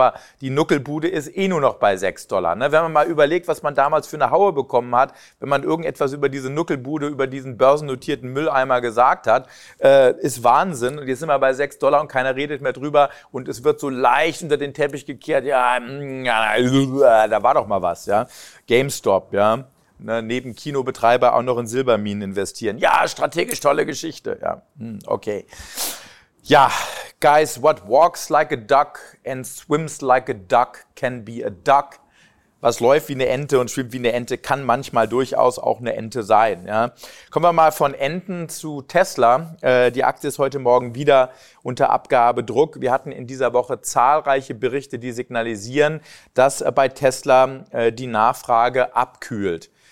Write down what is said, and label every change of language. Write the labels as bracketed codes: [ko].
[de] Aber die Nuckelbude ist eh nur noch bei 6 Dollar. Ne? Wenn man mal überlegt, was man damals für eine Haue bekommen hat, wenn man irgendetwas über diese Nuckelbude, über diesen börsennotierten Mülleimer gesagt hat, ist Wahnsinn. Und jetzt sind wir bei 6 Dollar und keiner redet mehr drüber. Und es wird so leicht unter den Teppich gekehrt. Ja, da war doch mal was. Ja, GameStop, ja, ne? Neben Kinobetreiber auch noch in Silberminen investieren. Ja, strategisch tolle Geschichte. Ja, okay. [en] Ja, guys, what walks like a duck and swims like a duck can be a duck. [de] Was läuft wie eine Ente und schwimmt wie eine Ente, kann manchmal durchaus auch eine Ente sein. Ja. Kommen wir mal von Enten zu Tesla. Die Aktie ist heute Morgen wieder unter Abgabedruck. Wir hatten in dieser Woche zahlreiche Berichte, die signalisieren, dass bei Tesla die Nachfrage abkühlt.